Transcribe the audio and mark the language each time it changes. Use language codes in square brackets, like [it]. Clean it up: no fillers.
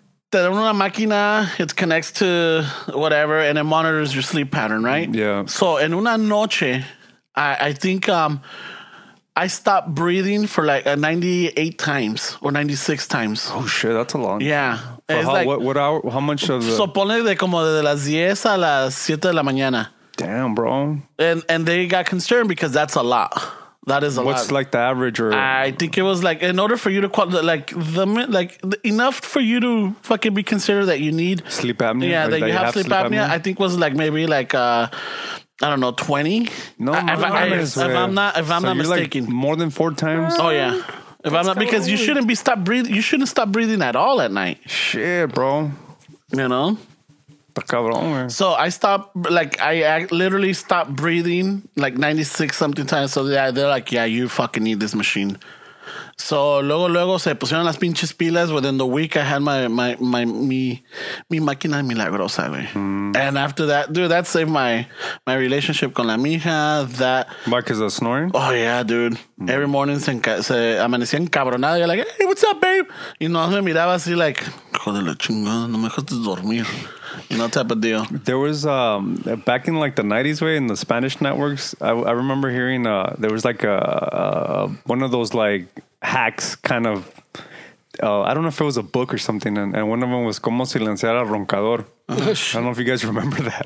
[es] te dan una máquina, [en] it connects to whatever, and it monitors your sleep pattern, right? Yeah. So, [es] en una noche, [en] I think I stopped breathing for like 98 times or 96 times. Oh, shit, that's a long time. Yeah. For how, like, what hour, how much of the... [es] So, ponle de como de las 10 a las 7 de la mañana. [en] Damn, bro. And they got concerned because that's a lot. That is a What's lot. Like the average? Or I think it was like, in order for you to qualify, like the enough for you to fucking be considered that you need sleep apnea. Yeah, that you have sleep apnea. I think was like maybe like I don't know, 20. No, if I'm not mistaken, like more than four times. Oh yeah, if That's I'm not because weird. You shouldn't be stop breathing. You shouldn't stop breathing at all at night. Shit, bro. You know. So I stopped, like I literally stopped breathing like 96 something times. So they're like, yeah, you fucking need this machine. So [es] luego se pusieron las pinches pilas. [en] Within the week I had [es] mi máquina milagrosa, güey. [en] And after that, dude, that saved my relationship [es] con la mija. [en] That Mike is a snoring. Oh yeah, dude. Every morning [es] se amanecía encabronada. [en] You're like, hey, what's up, babe? [es] Y no me miraba así like, joder la chingada, no me dejaste dormir. [en] No type of deal. There was back in like the 90s, way in the Spanish networks, I remember hearing there was like a one of those like hacks kind of I don't know if it was a book or something, and one of them was Como Silenciar al Roncador. I don't know if you guys remember that.